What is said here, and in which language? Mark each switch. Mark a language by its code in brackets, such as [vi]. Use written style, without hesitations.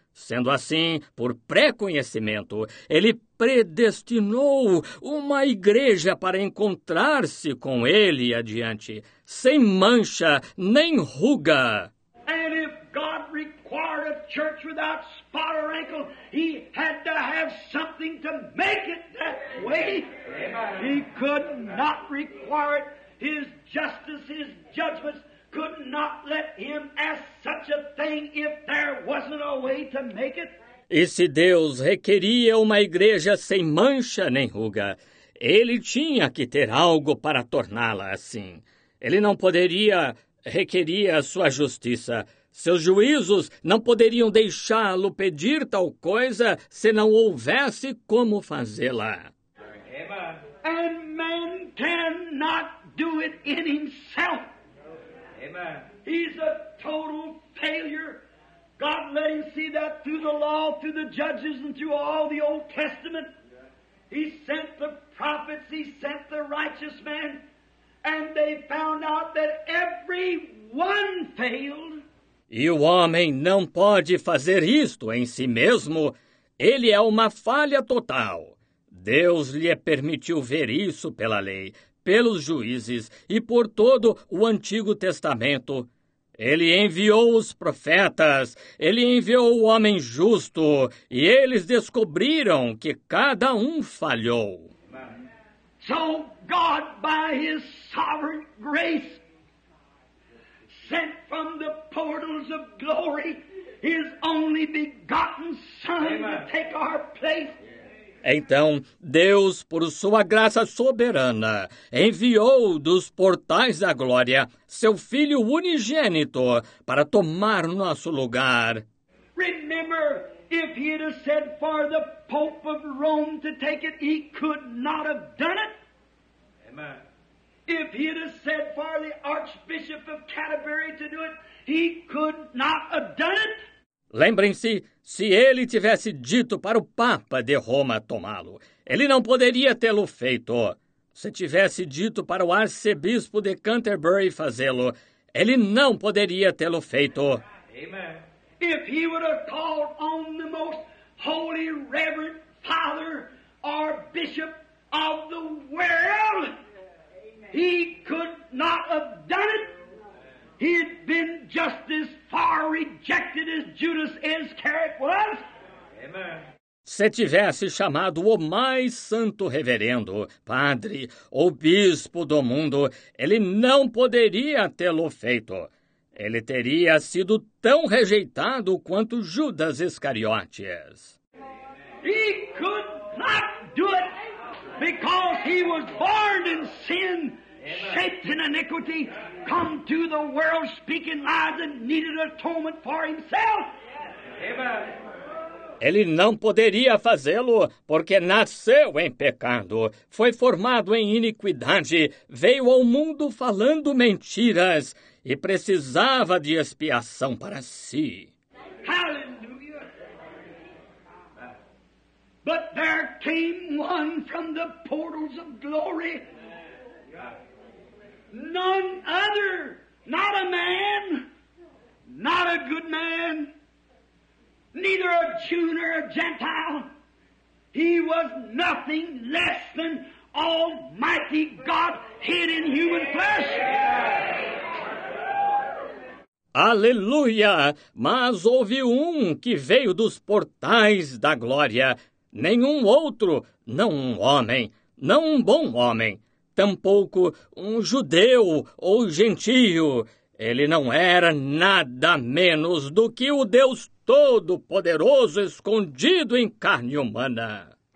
[pt] Sendo assim, por pré-conhecimento, ele predestinou uma igreja para encontrar-se com ele adiante, sem mancha nem ruga. [en] And if God required a church without spot or wrinkle, he had to have something to make it that way. Amen. He could not require it. His justice, his judgments could not let him ask such a thing if there wasn't a way to make it. [pt] E se Deus requeria uma igreja sem mancha nem ruga, ele tinha que ter algo para torná-la assim. Ele não poderia requerir a sua justiça. Seus juízos não poderiam deixá-lo pedir tal coisa se não houvesse como fazê-la. [en] And man cannot do it in himself. Amen. He's a total failure. God let him see that through the law, through the judges, and through all the Old Testament. He sent the prophets, he sent the righteous men, and they found out that every one failed. [pt] E o homem não pode fazer isto em si mesmo. Ele é uma falha total. Deus lhe permitiu ver isso pela lei, pelos juízes e por todo o Antigo Testamento. Ele enviou os profetas, ele enviou o homem justo, e eles descobriram que cada um falhou. [en] So God, by his sovereign grace, sent from the portals of glory his only begotten Son to take our place. [pt] Então, Deus, por sua graça soberana, enviou dos portais da glória seu Filho unigênito para tomar nosso lugar. [en] Remember, if he had said for the Pope of Rome to take it, he could not have done it. Amen. If he had said for the Archbishop of Canterbury to do it, he could not have done it. [pt] Lembrem-se, se ele tivesse dito para o Papa de Roma tomá-lo, ele não poderia tê-lo feito. Se tivesse dito para o Arcebispo de Canterbury fazê-lo, ele não poderia tê-lo feito. [en] Amen. If he would have called on the most holy, reverend father or bishop of the world, he could not have done it. He had been just as far rejected as Judas Iscariot was. Amen. [pt] Se tivesse chamado o mais santo reverendo, padre ou bispo do mundo, ele não poderia tê-lo feito. Ele teria sido tão rejeitado quanto Judas Iscariotes. [en] He could not do it because he was born in sin. Shaped in iniquity, come to the world speaking lies and needed atonement for himself. Amen. [pt] Ele não poderia fazê-lo porque nasceu em pecado, foi formado em iniquidade, veio ao mundo falando mentiras e precisava de expiação para si. [en] Hallelujah. But there came one from the portals of glory. None other, not a man, not a good man, neither a Jew nor a Gentile. He was nothing less than Almighty God hid in human flesh. [pt] Aleluia! Mas houve um que veio dos portais da glória. Nenhum outro, não um homem, não um bom homem. Tampouco um judeu ou gentio. Ele não era nada menos do que o Deus Todo-Poderoso escondido em carne humana.